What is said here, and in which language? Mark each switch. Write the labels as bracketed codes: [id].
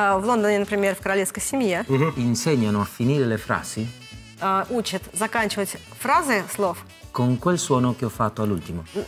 [ru] В Лондоне, например, в королевской семье. [it] Insegnano a finire le frasi. [ru] Учат заканчивать фразы слов. [it] Con quel suono che ho fatto all'ultimo.